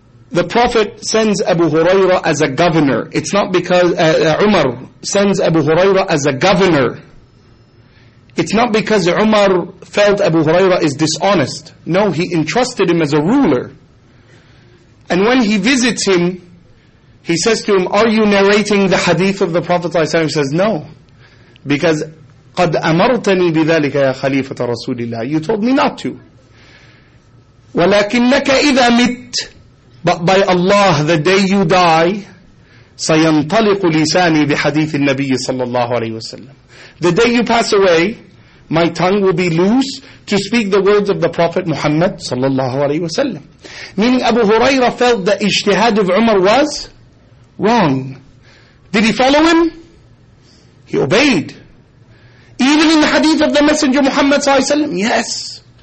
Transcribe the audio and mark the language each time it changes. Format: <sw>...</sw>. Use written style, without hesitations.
<en>The Prophet sends Abu Hurairah as a governor. It's not because Umar sends Abu Hurairah as a governor. It's not because Umar felt Abu Hurairah is dishonest. No, he entrusted him as a ruler. And when he visits him, he says to him, are you narrating the hadith of the Prophet ﷺ? He says, no.</en> <ar>Because, قَدْ أَمَرْتَنِي بِذَلِكَ يَا خَلِيفَةَ رَسُولِ اللَّهِ.</ar> <en>You told me not to.</en> <ar>وَلَكِنَّكَ إِذَا مِتْ.</ar> <en>But by Allah, the day you die,</en> <ar>سَيَنْطَلِقُ لِسَانِي بِحَدِيثِ النَّبِيِّ صَلَّى اللَّهُ عَلَيْهِ وَسَلَّمُ.</ar> <en>The day you pass away, my tongue will be loose to speak the words of the Prophet Muhammad sallallahu alaihi wasallam. Meaning Abu Hurairah felt that ijtihad of Umar was wrong. Did he follow him? He obeyed. Even in the hadith of the Messenger Muhammad sallallahu alaihi wasallam? Yes.</en>